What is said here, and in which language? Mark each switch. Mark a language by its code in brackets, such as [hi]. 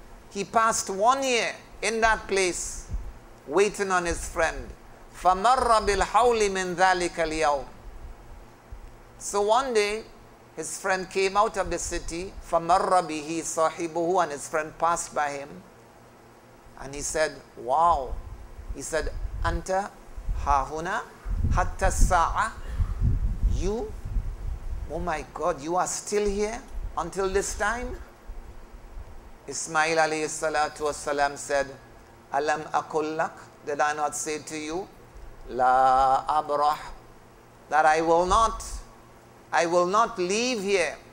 [en] He passed 1 year in that place, waiting on his friend. [ar] فَمَرَّ بِالْحَوْلِ مِنْ ذَلِكَ الْيَوْمِ. [en] So one day, his friend came out of the city. [ar] فَمَرَّ بِهِ صَاحِبُهُ. [en] And his friend passed by him. And he said, wow. He said, [ar] أَنْتَ هَاهُنَا حَتَّى السَّاعَةِ. [en] You? Oh my God, you are still here until this time? Ismail alayhi salatu wasalam said, [ar] أَلَمْ أَقُلْ لَكْ. [en] Did I not say to you, La abrah, that I will not leave here.